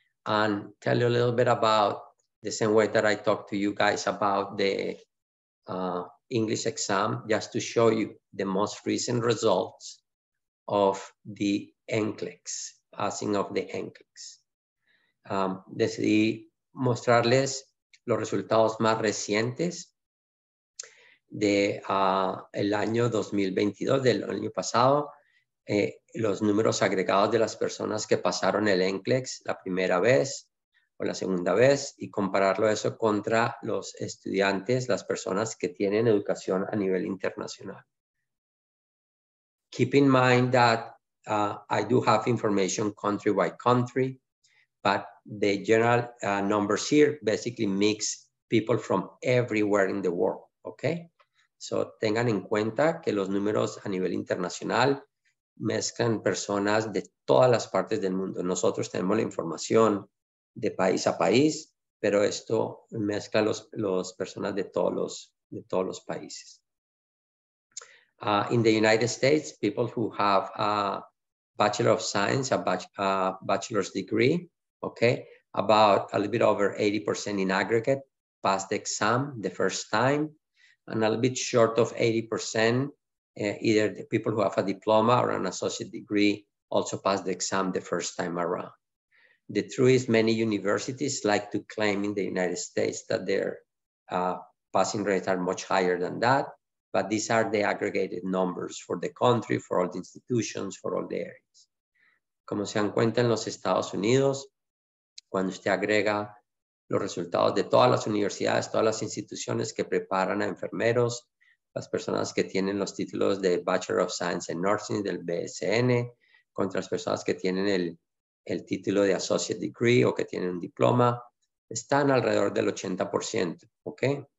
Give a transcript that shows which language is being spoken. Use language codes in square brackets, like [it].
[en] And tell you a little bit about the same way that I talked to you guys about the English exam, just to show you the most recent results of the NCLEX, passing of the NCLEX. [es] Decidí mostrarles los resultados más recientes de el año 2022, del año pasado, los números agregados de las personas que pasaron el NCLEX la primera vez o la segunda vez, y compararlo eso contra los estudiantes, las personas que tienen educación a nivel internacional. [en] Keep in mind that I do have information country by country, but the general numbers here basically mix people from everywhere in the world, okay? [es] So tengan en cuenta que los números a nivel internacional mezclan personas de todas las partes del mundo. Nosotros tenemos la información de país a país, pero esto mezcla los personas de todos los países. [en] In the United States, people who have a Bachelor of Science, a bachelor's degree, okay, about a little bit over 80% in aggregate passed the exam the first time. And a little bit short of 80%, either the people who have a diploma or an associate degree also pass the exam the first time around. The truth is many universities like to claim in the United States that their passing rates are much higher than that, but these are the aggregated numbers for the country, for all the institutions, for all the areas. [es] Como se dan cuenta en los Estados Unidos, cuando usted agrega los resultados de todas las universidades, todas las instituciones que preparan a enfermeros, las personas que tienen los títulos de Bachelor of Science in Nursing del BSN, contra las personas que tienen el título de Associate Degree o que tienen un diploma, están alrededor del 80%, ¿okay?